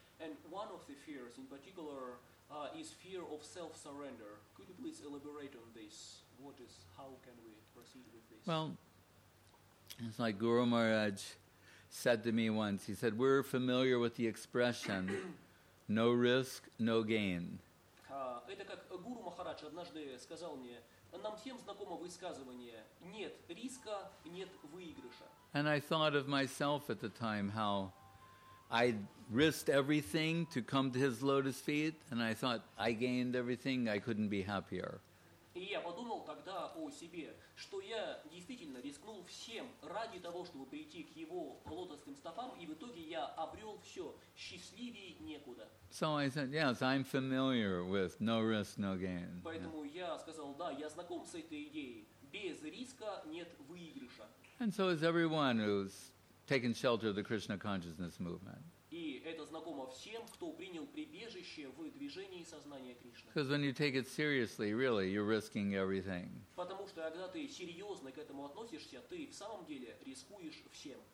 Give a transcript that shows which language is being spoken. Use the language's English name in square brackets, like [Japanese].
[English] And one of the fears, in particular, is fear of self-surrender. Could you please elaborate on this? How can we proceed with this? Well, it's like Guru Maharaj said to me once. He said, we're familiar with the expression, no risk, no gain. [Russian] Это как Гуру Махарадж однажды сказал мне, нам всем знакомо высказывание, нет риска, нет выигрыша. [English] And I thought of myself at the time how I risked everything to come to his lotus feet, and I thought I gained everything. I couldn't be happier. [Russian] И я подумал тогда о себе, что я действительно рискнул всем ради того, чтобы прийти к его лотосным стопам, и в итоге я обрел все. Счастливее некуда. [English] So I said, yes, I'm familiar with no risk, no gain. [Russian] Поэтому я сказал, да, я знаком с этой идеей. Без риска нет выигрыша. [English] And so is everyone who's taken shelter of the Krishna consciousness movement. [Russian] И это знакомо всем, кто принял прибежище в движении сознания Кришны. [English] Because when you take it seriously, really, you're risking everything. [Russian] Потому что когда ты серьезно к этому относишься, ты в самом деле рискуешь всем.